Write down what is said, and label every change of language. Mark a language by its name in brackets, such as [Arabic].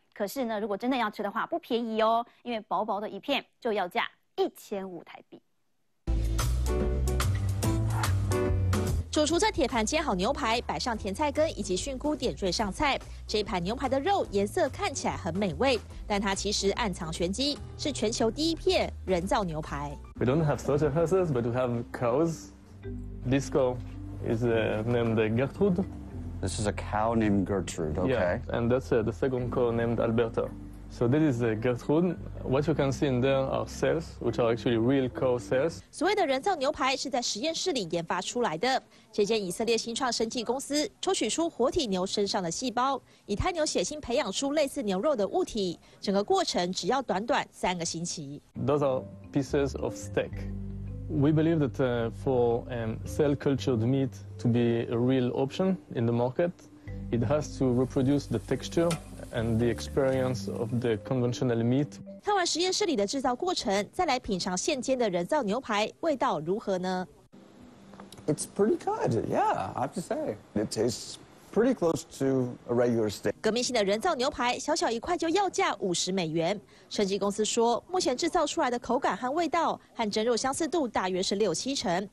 [Chinese] 可是呢，如果真的要吃的话，不便宜哦，因为薄薄的一片就要价1500台币。主厨在铁盘煎好牛排，摆上甜菜根以及菌菇点缀上菜。这一盘牛排的肉颜色看起来很美味，但它其实暗藏玄机，是全球第一片人造牛排。 [English] We don't have slaughter horses, but we have cows. This cow is named Gertrude. This is a cow named Gertrude. Okay. Yeah, and that's the second cow named Alberto. So this is Gertrude. What you can see in there are cells, which are actually real cow cells. [Chinese] 所谓的人造牛排是在实验室里研发出来的。这间以色列新创生技公司抽取出活体牛身上的细胞，以胎牛血清培养出类似牛肉的物体。整个过程只要短短3个星期。 [English] Those are pieces of steak. We believe that for cell cultured meat to be a real option in the market, it has to reproduce the texture and the experience of the conventional meat. [Chinese] 看完实验室里的制造过程，再来品尝现煎的人造牛排，味道如何呢 [English] ？It's pretty good, yeah. I have to say, it tastes pretty close to a regular steak. [Chinese] 革命性的人造牛排，小小一块就要价50美元。生技公司说，目前制造出来的口感和味道和真肉相似度大约是60-70%。